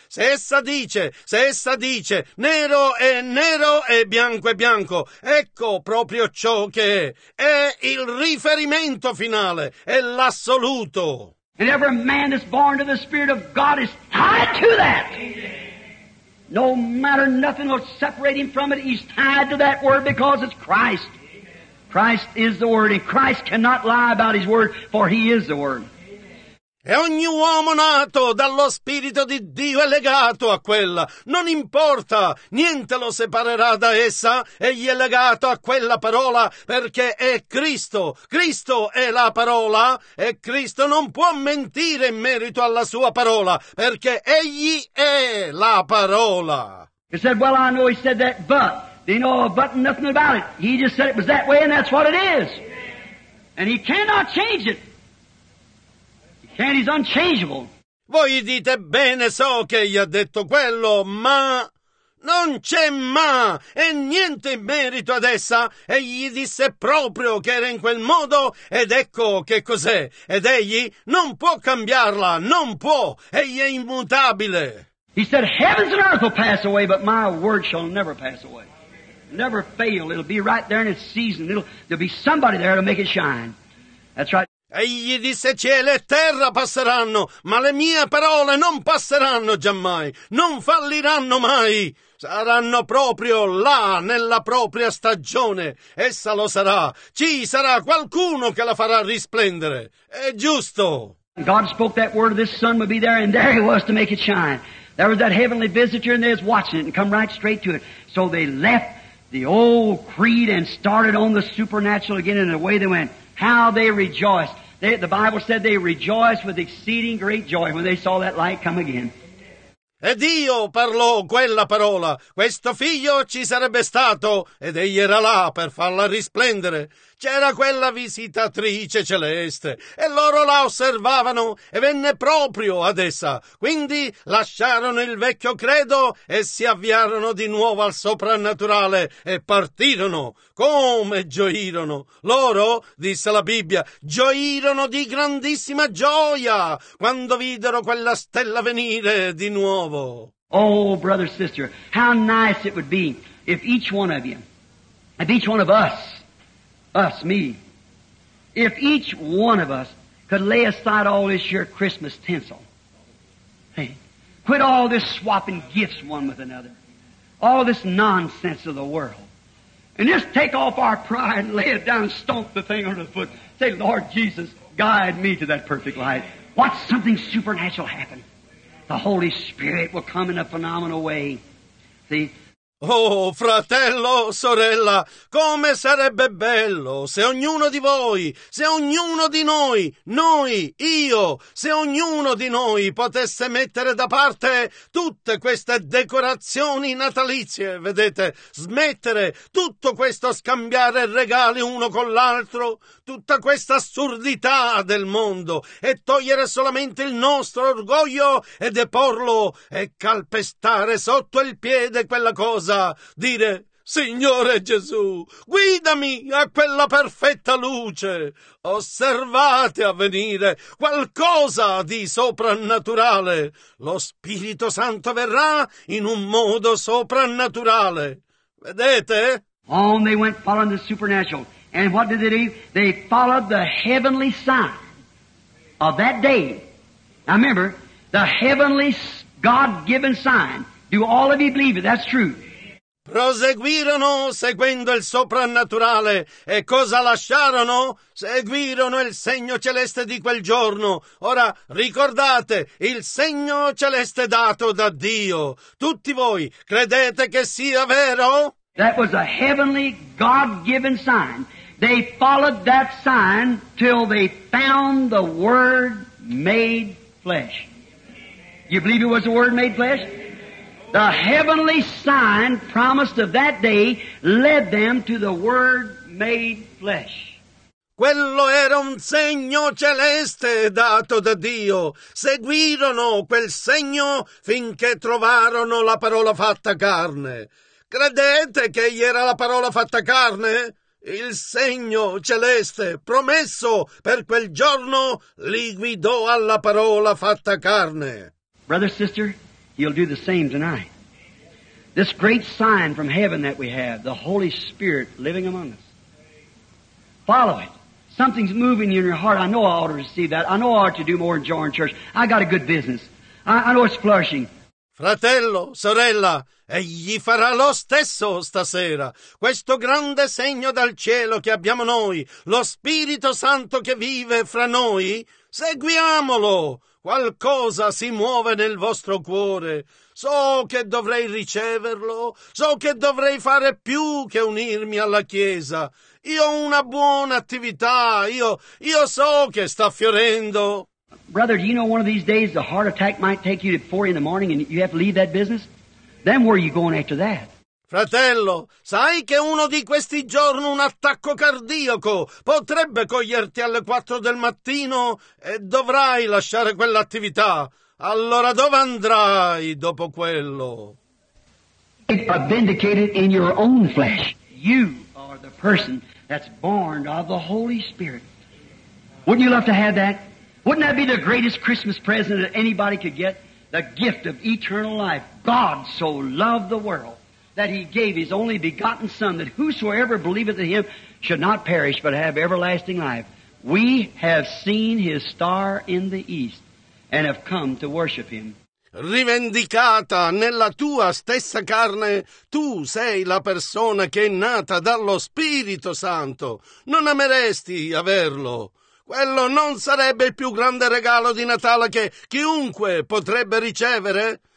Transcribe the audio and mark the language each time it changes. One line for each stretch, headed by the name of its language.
Italian: Se essa dice, nero è nero e bianco è bianco. Ecco proprio ciò che è. È il riferimento finale. È l'assoluto.
English: And every man that's born to the Spirit of God is tied to that. No matter, nothing will separate him from it. He's tied to that Word because it's Christ. Christ is the Word, and Christ cannot lie about His Word, for He is the Word.
Italian: E ogni uomo nato dallo Spirito di Dio è legato a quella. Non importa, niente lo separerà da essa. Egli è legato a quella parola perché è Cristo. Cristo è la parola e Cristo non può mentire in merito alla sua parola perché Egli è la parola.
English: He said, well, I know he said that, but. Do you know a but and nothing about it? He just said it was that way and that's what it is. And he cannot change it. And he's unchangeable.
Italian: Voi dite bene, so che gli ha detto quello, ma non c'è ma e niente in merito ad essa. Egli disse proprio che era in quel modo ed ecco che cos'è. Ed egli non può cambiarla, non può. Egli è immutabile.
English: He said, heavens and earth will pass away, but my word shall never pass away. Never fail. It'll be right there in its season. There'll be somebody there to make it shine. That's right.
Italian: Egli disse, cielo e terra passeranno, ma le mie parole non passeranno giammai, non falliranno mai, saranno proprio là, nella propria stagione, essa lo sarà, ci sarà qualcuno che la farà risplendere, è giusto.
English: God spoke that word, this sun would be there, and there he was to make it shine. There was that heavenly visitor, and they was watching it, and come right straight to it. So they left the old creed and started on the supernatural again, and away they went. How they rejoiced. The Bible said they rejoiced with exceeding great joy when they saw that light come again.
Italian: E Dio parlò quella parola. Questo figlio ci sarebbe stato ed egli era là per farla risplendere. C'era quella visitatrice celeste e loro la osservavano e venne proprio ad essa. Quindi lasciarono il vecchio credo e si avviarono di nuovo al soprannaturale e partirono. Come gioirono! Loro, disse la Bibbia, gioirono di grandissima gioia quando videro quella stella venire di nuovo.
English: Oh, brother, sister, how nice it would be if each one of you, if each one of us, me, if each one of us could lay aside all this here Christmas tinsel. Hey, quit all this swapping gifts one with another. All this nonsense of the world. And just take off our pride and lay it down and stomp the thing under the foot. Say, Lord Jesus, guide me to that perfect light. Watch something supernatural happen. The Holy Spirit will come in a phenomenal way. See?
Italian: Oh, fratello, sorella, come sarebbe bello se ognuno di voi, se ognuno di noi, noi, io, se ognuno di noi potesse mettere da parte tutte queste decorazioni natalizie, vedete, smettere tutto questo scambiare regali uno con l'altro, tutta questa assurdità del mondo e togliere solamente il nostro orgoglio e deporlo e calpestare sotto il piede quella cosa. Dire, Signore Gesù, guidami a quella perfetta luce. Osservate avvenire qualcosa di soprannaturale. Lo Spirito Santo verrà in un modo soprannaturale. Vedete?
English: On they went following the supernatural. And what did they do? They followed the heavenly sign of that day. Now remember, The heavenly God-given sign. Do all of you believe it? That's true.
Italian: Proseguirono seguendo il soprannaturale. E cosa lasciarono? Seguirono il segno celeste di quel giorno. Ora ricordate il segno celeste dato da Dio. Tutti voi credete che sia vero?
English: That was a heavenly God-given sign. They followed that sign till they found the Word made flesh. You believe it was the Word made flesh? The heavenly sign promised of that day led them to the Word made flesh.
Italian: Quello era un segno celeste dato da Dio. Seguirono quel segno finché trovarono la parola fatta carne. Credete che egli era la parola fatta carne? Il segno celeste promesso per quel giorno li guidò alla parola fatta carne.
English: Brother, sister, he'll do the same tonight. This great sign from heaven that we have, the Holy Spirit living among us. Follow it. Something's moving you in your heart. I know I ought to receive that. I know I ought to do more and join church. I got a good business. I know it's flourishing.
Italian: Fratello, sorella, egli farà lo stesso stasera. Questo grande segno dal cielo che abbiamo noi, lo Spirito Santo che vive fra noi, seguiamolo. Qualcosa si muove nel vostro cuore. So che dovrei riceverlo. So che dovrei fare più che unirmi alla Chiesa. Io ho una buona attività. Io so che sta fiorendo.
English: Brother, do you know one of these days the heart attack might take you at 4 in the morning and you have to leave that business? Then where are you going after that?
Italian: Fratello, sai che uno di questi giorni un attacco cardiaco potrebbe coglierti alle 4 del mattino e dovrai lasciare quell'attività. Allora dove andrai dopo quello?
English: Vindicated in your own flesh. You are the person that's born of the Holy Spirit. Wouldn't you love to have that? Wouldn't that be the greatest Christmas present that anybody could get? The gift of eternal life. God so loved the world that he gave his only begotten Son, that whosoever believeth in him should not perish, but have everlasting life. We have seen his star in the east, and have come to worship him.
Italian: Rivendicata nella tua stessa carne, tu sei la persona che è nata dallo Spirito Santo. Non ameresti averlo. Quello non sarebbe il più grande regalo di Natale che chiunque potrebbe ricevere?